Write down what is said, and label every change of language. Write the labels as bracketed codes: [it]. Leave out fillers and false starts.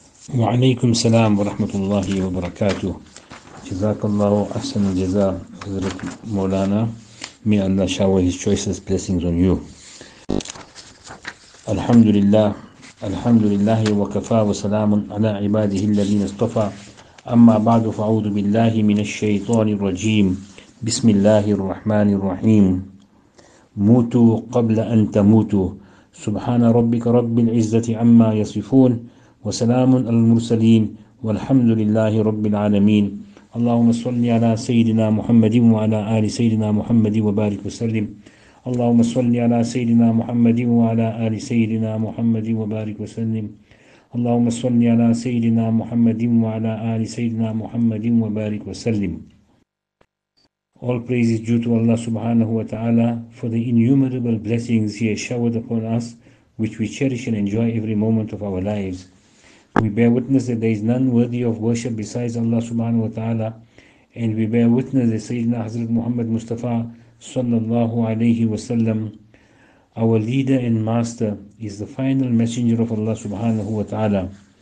[ar] وعليكم السلام ورحمة الله وبركاته. جزاك الله أحسن الجزاء حضرت مولانا. [en] May Allah shower His choicest blessings on you. [ar] الحمد لله الحمد لله وكفى وسلام على عباده الذين اصطفى. أما بعد فأعوذ بالله من الشيطان الرجيم. بسم الله الرحمن الرحيم. موتوا قبل أن تموتوا. سبحان ربك رب العزة عما يصفون. وسلام على المرسلين والحمد لله رب العالمين. اللهم صل على سيدنا محمد وعلى آل سيدنا محمد وبارك وسلم. اللهم صل على سيدنا محمد وعلى آل سيدنا محمد وبارك وسلم. اللهم صل على سيدنا محمد وعلى آل سيدنا محمد وبارك وسلم. [en] All praise is due to Allah subhanahu wa ta'ala for the innumerable blessings He has showered upon us, which we cherish and enjoy every moment of our lives. We bear witness that there is none worthy of worship besides Allah subhanahu wa ta'ala, and we bear witness that Sayyidina Hazrat Muhammad Mustafa sallallahu alayhi wa sallam, our leader and master, is the final messenger of Allah subhanahu wa ta'ala.